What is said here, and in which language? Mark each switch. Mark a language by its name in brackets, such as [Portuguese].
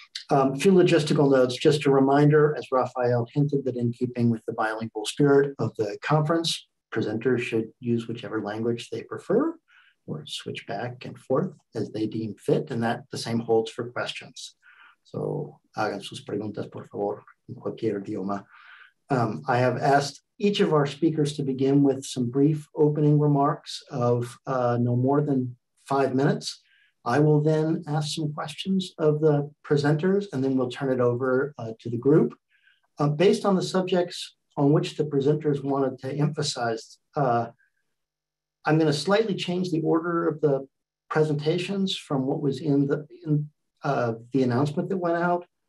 [English] A few logistical notes, just a reminder, as Rafael hinted, that in keeping with the bilingual spirit of the conference, presenters should use whichever language they prefer or switch back and forth as they deem fit, and that the same holds for questions. [Spanish] So, hagan sus preguntas, por favor, en cualquier idioma. [English] I have asked each of our speakers to begin with some brief opening remarks of no more than 5 minutes. I will then ask some questions of the presenters, and then we'll turn it over to the group. Based on the subjects on which the presenters wanted to emphasize, I'm going to slightly change the order of the presentations from what was in the announcement that went out.